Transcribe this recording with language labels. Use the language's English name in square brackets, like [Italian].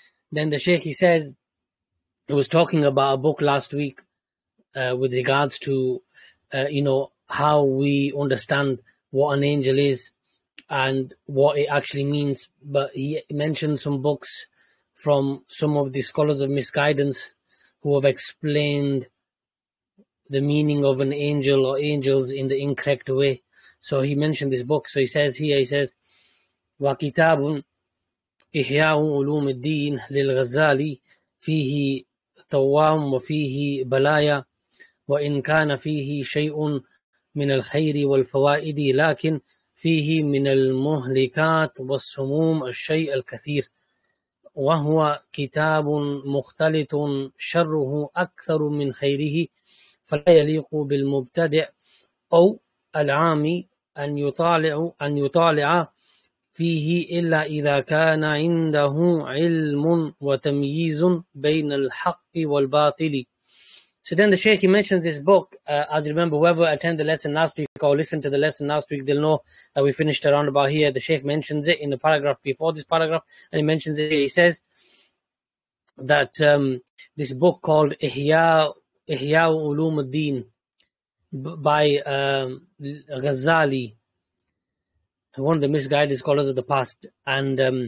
[English] Then the Shaykh, he says, he was talking about a book last week with regards to, you know, how we understand what an angel is and what it actually means. But he mentioned some books from some of the scholars of misguidance who have explained the meaning of an angel or angels in the incorrect way. So he mentioned this book. So he says here, he says, [Arabic] وكتاب إحياء علوم الدين للغزالي فيه توام وفيه بلايا وإن كان فيه شيء من الخير والفوائد لكن فيه من المهلكات والسموم الشيء الكثير وهو كتاب مختلط شره أكثر من خيره فلا يليق بالمبتدع أو العامي أن يطالع فيه إلا إذا كان عنده علم وتمييز بين الحق والباطل. [English] So then the Shaykh, he mentions this book. As you remember, whoever attended the lesson last week or listened to the lesson last week, they'll know that we finished around about here. The Shaykh mentions it in the paragraph before this paragraph, and he mentions it here. He says that this book called Ihya Ulum al-Din by Ghazali, one of the misguided scholars of the past, and